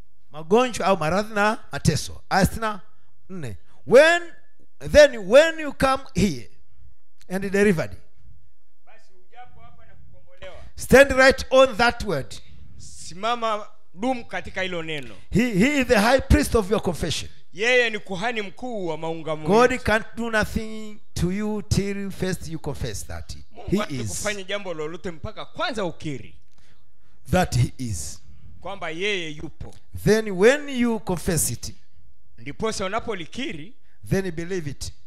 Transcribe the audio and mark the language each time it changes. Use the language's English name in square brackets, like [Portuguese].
[Swahili] Magonjwa au maradhi na mateso. Asina 4. [English] When you come here and delivered. [Swahili] Basi ujapo hapa na kukombolewa. [English] Stand right on that word. [Swahili] Simama dumu katika hilo neno. [English] He is the high priest of your confession. [Swahili] Yeye ni kuhani mkuu wa maungamo. [English] God can't do nothing to you till first you confess that he is. [Swahili] Mungu hakufanya jambo lolote mpaka kwanza ukiri [English] that he is. [Swahili] Kwamba yeye yupo. [English] Then when you confess it. [Swahili] Ndipo sasa unapolikiri, [English] then believe it.